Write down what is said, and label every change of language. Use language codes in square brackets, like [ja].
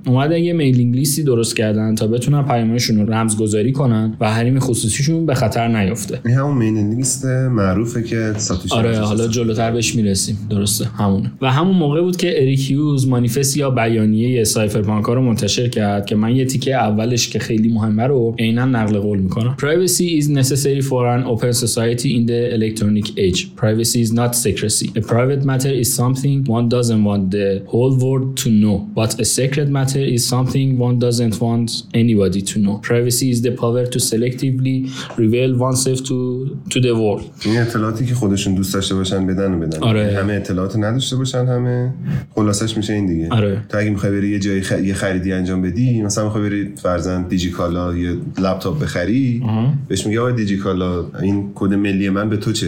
[fa] اومدن یه میلینگ لیستی درست کردن تا بتونن پیامشون رو رمزگذاری کنن و حریم خصوصیشون به خطر نیفته. این همون میلینگ لیست معروفه که ساتوشی. آره حالا جلوتر بهش میرسیم. درسته همونه. و همون موقع بود که اریک هیوز مانیفست یا بیانیه سایبرپانک رو منتشر کرد که من یه تیکه اولش که خیلی مهمه رو عیناً نقل قول می‌کنم. [en] Privacy is necessary for an open society in the electronic age. Privacy is not secrecy. A private matter is something one doesn't want the whole world to know, but a secret matter is something one doesn't want anybody to know. Privacy is the power to selectively reveal oneself to the world. [fa] این اطلاعاتی که خودشون دوست داشته باشن بدن و بدن. آره. همه اطلاعات نداشته باشن همه. خلاصش میشه این دیگه. آره. تو اگه میخوای بری یه جای یه خریدی انجام بدی، مثلا میخوای بری فرضاً دیجی کالا یه لپتاپ بخری، بهش میگه آقا دیجی کالا این کد ملی من به تو چه؟